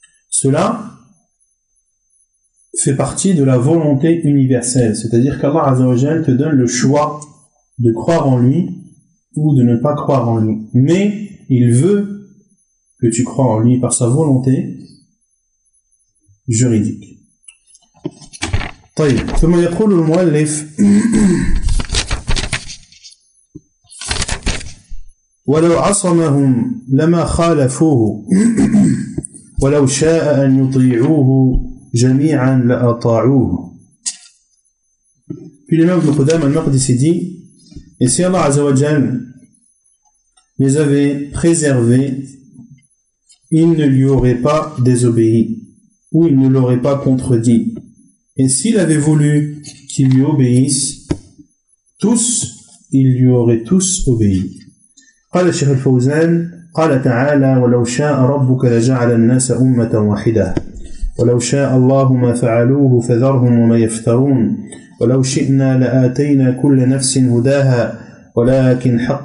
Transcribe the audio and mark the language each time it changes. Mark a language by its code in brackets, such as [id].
[fr] Cela fait partie de la volonté universelle. C'est-à-dire qu'Allah Azza wa Jalla te donne le choix de croire en lui ou de ne pas croire en lui. Mais il veut que tu crois en lui par sa volonté juridique. [ar] طيب ثم يقول المؤلف ولو عصمهم لما خالفوه ولو شاء ان يطيعوه جميعا لاطاعوه. [fr] Puis l'imam ibn Qudama al-Maqdisi dit: et si Allah Azza wa Jal les avait préservés, ils ne lui auraient pas désobéi, ou ils ne l'auraient pas contredit. Et s'il avait voulu qu'ils lui obéissent, tous, ils lui auraient tous obéi. [ar] قال الشيخ الفوزان قال تعالى ولو شاء ربك لجعل الناس أمة واحدة ولو شاء الله ما فعلوه فذرهم وما يفترون ولو شئنا لآتينا كل نفس هداها ولكن